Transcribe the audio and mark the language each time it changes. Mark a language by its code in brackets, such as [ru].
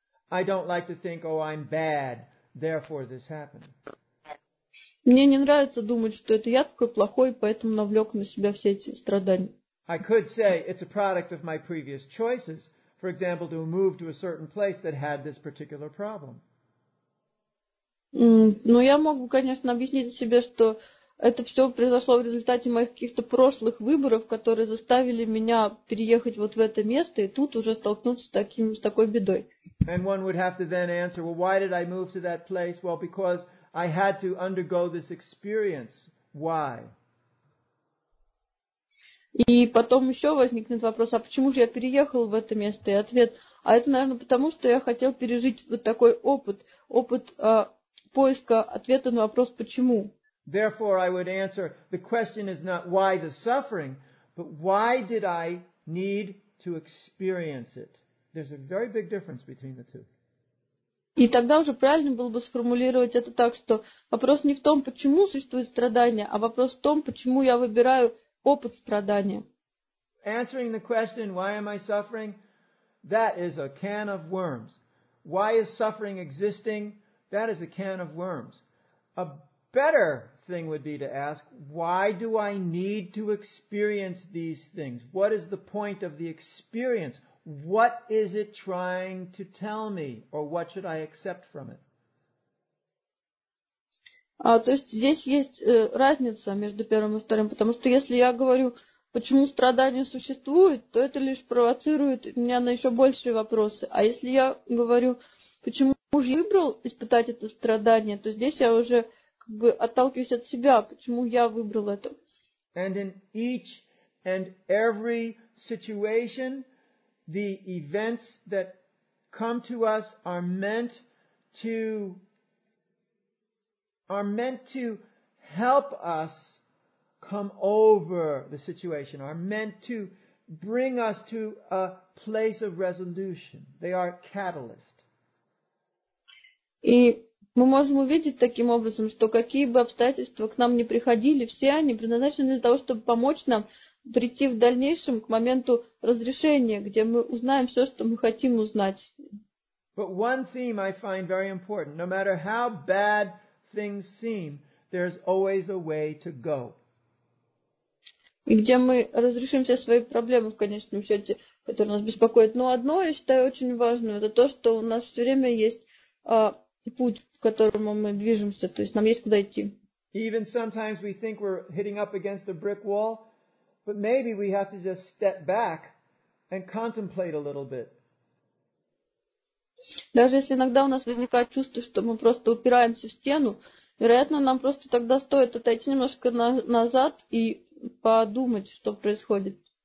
[en] I don't like to think, oh, I'm bad, therefore this happened. [ru] Мне не нравится думать, что это я такой плохой, поэтому навлек на себя все эти страдания. [en] I could say it's a product of my previous choices, for example, to move to a certain place that had this particular problem. [ru] Ну, я мог бы, конечно, объяснить себе, что это все произошло в результате моих каких-то прошлых выборов, которые заставили меня переехать вот в это место и тут уже столкнуться с такой бедой. [en] And one would have to then answer, well, why did I move to that place? Well, because I had to undergo this experience. Why? [ru] И потом еще возникнет вопрос, а почему же я переехал в это место? И ответ, а это, наверное, потому что я хотел пережить вот такой опыт поиска ответа на вопрос «почему?». [en] Therefore, I would answer, the question is not why the suffering, but why did I need to experience it? There's a very big difference between the two. [ru] И тогда уже правильно было бы сформулировать это так, что вопрос не в том, почему существует страдание, а вопрос в том, почему я выбираю опыт страдания. [en] Answering the question, why am I suffering? That is a can of worms. Why is suffering existing? That is a can of worms. A better thing would be to ask, why do I need to experience these things? What is the point of the experience? What is it trying to tell me? Or what should I accept from it? [ru] То есть здесь есть разница между первым и вторым, потому что если я говорю, почему страдания существуют, то это лишь провоцирует меня на еще большие вопросы. А если я говорю, почему муж выбрал испытать это страдание, то здесь я уже как бы отталкиваюсь от себя, почему я выбрал это. [en] And in each and every situation, the events that come to us are meant to help us come over the situation, are meant to bring us to a place of resolution. They are catalysts. [ru] И мы можем увидеть таким образом, что какие бы обстоятельства к нам ни приходили, все они предназначены для того, чтобы помочь нам прийти в дальнейшем к моменту разрешения, где мы узнаем все, что мы хотим узнать. [en] But one theme I find very important. No matter how bad things seem, there's always a way to go. [ru] И где мы разрешим все свои проблемы в конечном счете, которые нас беспокоят. Но одно, я считаю, очень важное, это то, что у нас все время есть путь, к которому мы движемся, то есть нам есть куда идти. [en] Even sometimes we think we're hitting up against a brick wall, but maybe we have to just step back and contemplate a little bit. [ru] Даже если иногда у нас возникает чувство, что мы просто упираемся в стену, вероятно, нам просто тогда стоит отойти немножко назад и подумать, что происходит.